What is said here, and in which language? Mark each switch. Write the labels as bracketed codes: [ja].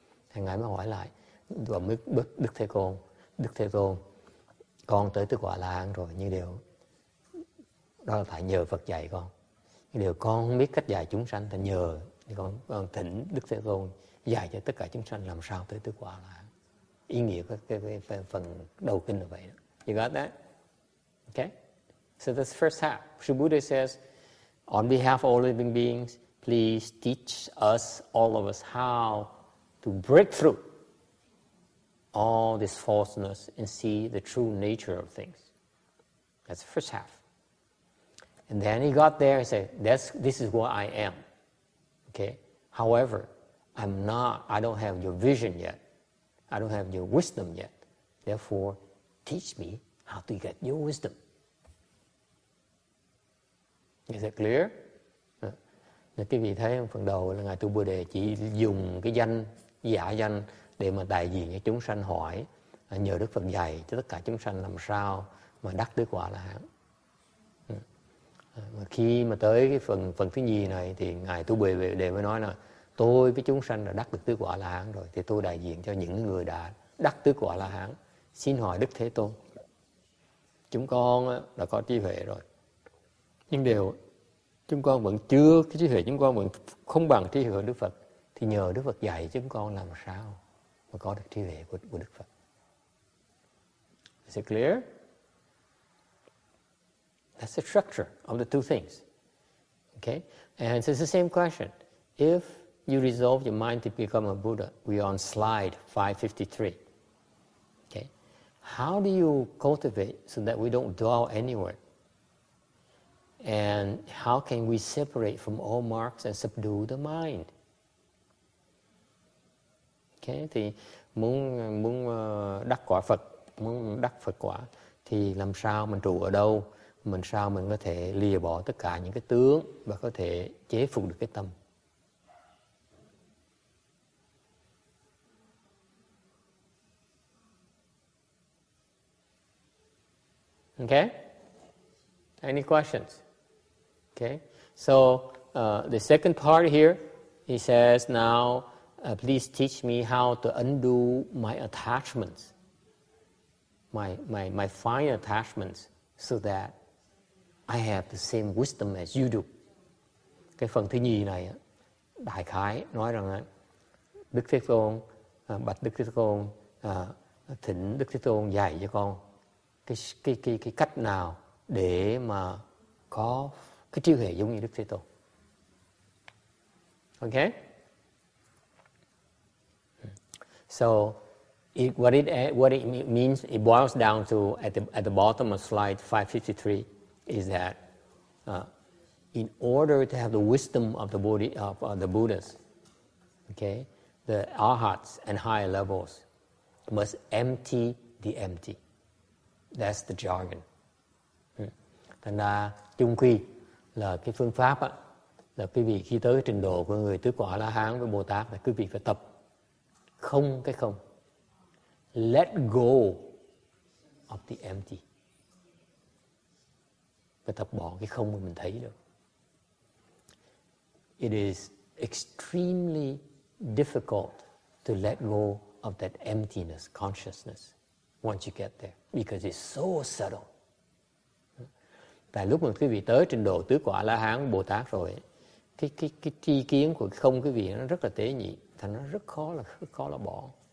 [vi] Thằng ngài mới hỏi lại và mới Đức Thế Tôn, con tới tứ quả la hán rồi, nhưng điều đó là phải nhờ Phật dạy con. Điều con không biết cách dạy chúng sanh thì nhờ con thỉnh Đức Thế Tôn dạy cho tất cả chúng sanh làm sao tới tứ quả là ý nghĩa của cái phần đầu kinh là vậy đó. [en] You got that? Okay. So this first half, Subhuti says, on behalf of all living beings, please teach us, all of us, how to break through all this falseness and see the true nature of things. That's the first half. And then he got there and said, this is what I am. Okay? However, I don't have your vision yet. I don't have your wisdom yet. Therefore, teach me how to get your wisdom. Is that clear? [vi] Cái vị thấy phần đầu là Ngài Tu Bồ Đề chỉ dùng cái danh, giả danh để mà đại diện cho chúng sanh hỏi, nhờ Đức Phật dạy cho tất cả chúng sanh làm sao mà đắc tứ quả la hán. Mà khi mà tới cái phần thứ nhì này thì ngài Tu Bồ Đề mới nói là tôi với chúng sanh đã đắc được tứ quả la hán rồi, thì tôi đại diện cho những người đã đắc tứ quả la hán, xin hỏi Đức Thế Tôn, chúng con đã có trí huệ rồi, nhưng điều chúng con vẫn chưa, cái trí huệ chúng con vẫn không bằng trí huệ Đức Phật, thì nhờ Đức Phật dạy chúng con làm sao mà có được trí huệ của Đức Phật. [en] Is it clear? That's the structure of the two things. Okay? And so it's the same question. If you resolve your mind to become a Buddha, we are on slide 553. Okay. How do you cultivate so that we don't dwell anywhere? And how can we separate from all marks and subdue the mind? [vi] Okay, thì muốn đắc quả Phật, muốn đắc Phật quả thì làm sao mình trụ ở đâu? Mình sao mình có thể lìa bỏ tất cả những cái tướng và có thể chế phục được cái tâm? [en] Okay? Any questions? Okay, so the second part here, he says, now please teach me how to undo my attachments, my fine attachments, so that I have the same wisdom as you do. [vi] Cái phần thứ nhì này, đại khái nói rằng Đức Thế Tôn, bạch Đức Thế Tôn, thỉnh Đức Thế Tôn dạy cho con cái cách nào để mà có cái trí huệ giống như Đức Thế Tôn. [en] Okay? So, what it means, it boils down to, at the bottom of slide 553, is that in order to have the wisdom of the Bodhi, of the Buddhas, okay, the arhats and higher levels must empty the empty. That's the jargon. [vi] Thành ra, chung quy, là cái phương pháp á, là quý vị khi tới trình độ của người tứ quả la hán với bồ tát là quý vị phải tập không cái không, [en] let go of the empty, [vi] phải tập bỏ cái không mà mình thấy được. [en] It is extremely difficult to let go of that emptiness consciousness once you get there because it's so subtle. [vi] Tại lúc mà quý vị tới trình độ tứ quả la hán bồ tát rồi, cái tri kiến của không quý vị nó rất là tế nhị, thành nó rất khó là bỏ.